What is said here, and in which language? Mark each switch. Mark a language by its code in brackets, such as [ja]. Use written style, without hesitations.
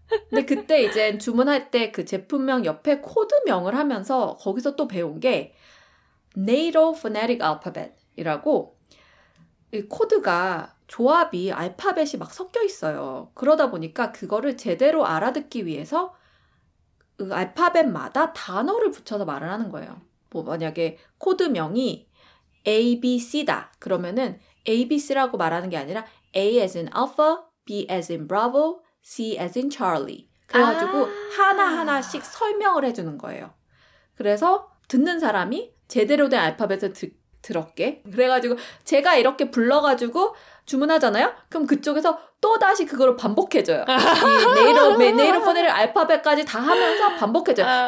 [ko] 근데 그때 이제 주문할 때 그 제품명 옆에 코드명을 하면서 거기서 또 배운 게 NATO Phonetic Alphabet이라고 이 코드가 조합이 알파벳이 막 섞여 있어요. 그러다 보니까 그거를 제대로 알아듣기 위해서 그 알파벳마다 단어를 붙여서 말을 하는 거예요. 뭐 만약에 코드명이 ABC다. 그러면은 ABC라고 말하는 게 아니라 [en] A as in Alpha, B as in Bravo, C as in Charlie. [ko] 그래가지고 아~ 하나하나씩 설명을 해주는 거예요. 그래서 듣는 사람이 제대로 된 알파벳을 들었게. 그래가지고 제가 이렇게 불러가지고 주문하잖아요? 그럼 그쪽에서 또다시 그거를 반복해줘요. 네이로폰을 알파벳까지 다 하면서 반복해줘요.